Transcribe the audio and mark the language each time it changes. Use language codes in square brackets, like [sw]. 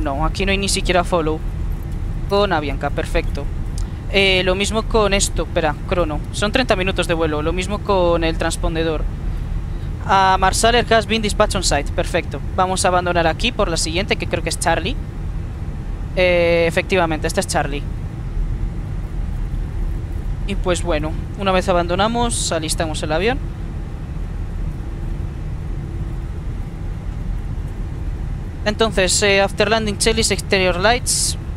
[es] No, aquí no hay ni siquiera follow. Con Avianca, perfecto. Lo mismo con esto, espera, crono. Son 30 minutos de vuelo. Lo mismo con el transpondedor. [en] A Marsaller has been dispatched on site. [es] Perfecto. Vamos a abandonar aquí por la siguiente, que creo que es Charlie. Efectivamente, esta es Charlie. Y pues bueno, una vez abandonamos, alistamos el avión. [en] Entonces, after landing, Charlie's exterior lights.